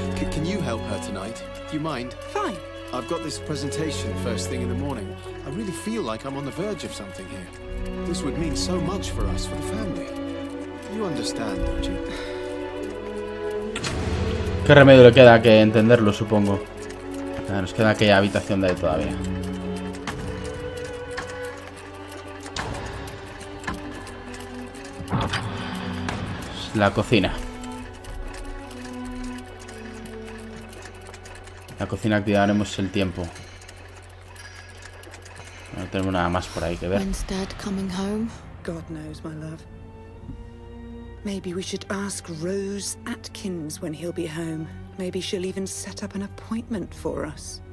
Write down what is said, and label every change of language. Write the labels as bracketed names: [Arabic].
[English] Can you help her tonight? Do you mind? Fine. I've got this presentation first thing in the morning. I really feel like I'm on the verge of something here. This would mean so much for us, for the family. You understand, don't you? [Spanish] ¿Qué remedio le queda que entenderlo, supongo? Nos queda aquella habitación de ahí todavía. La cocina. La cocina activaremos el tiempo. No tenemos nada más por ahí que ver. [English] When's Dad coming home? God knows, my love. Maybe we should ask Rose Atkins when he'll be home. Maybe she'll even set up an appointment for us.